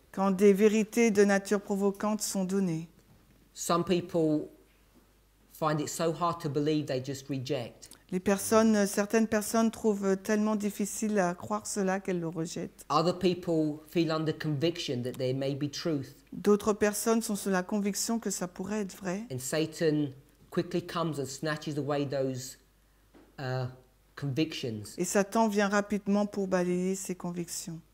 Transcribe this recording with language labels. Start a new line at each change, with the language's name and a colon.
French: Quand des vérités de nature provocante sont données.
English: Some people find it so hard to believe they just reject.
French: Les personnes, certaines personnes trouvent tellement difficile à croire cela qu'elles le rejettent.
English: Other people feel under conviction that there may be truth.
French: D'autres personnes sont sous la conviction que ça pourrait être vrai.
English: And Satan quickly comes and snatches away those convictions.
French: Et Satan vient rapidement pour balayer ses convictions.